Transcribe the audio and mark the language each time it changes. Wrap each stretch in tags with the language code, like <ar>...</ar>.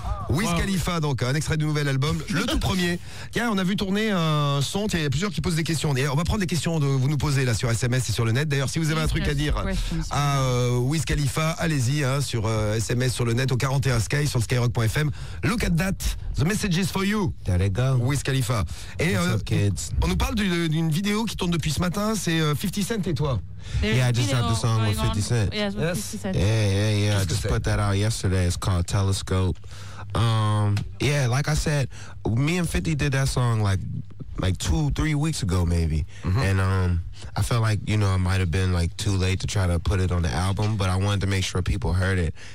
<fr>Wiz Khalifa, donc un extrait du nouvel album, le tout premier. Tiens, on a vu tourner un son, il y a plusieurs qui posent des questions. On va prendre des questions de vous nous poser là sur SMS et sur le net. D'ailleurs, si vous avez un truc à dire à Wiz Khalifa, allez-y hein, sur SMS, sur le net, au 41 Sky, sur skyrock.fm.</fr> <en>Look at that, the message is for you. There you go. Wiz Khalifa. Et kids.</en> <fr>On nous parle d'une vidéo qui tourne depuis ce matin, c'est 50 Cent et toi.</fr> <en>Yeah, I just had the song with 50 Cent. Yeah, I just put that out yesterday. It's called Telescope. Like I said, me and 50 did that song like 2-3 weeks ago maybe. Mm-hmm. And I felt like, you know, I might have been like too late to try to put it on the album, but I wanted to make sure people heard it.</en>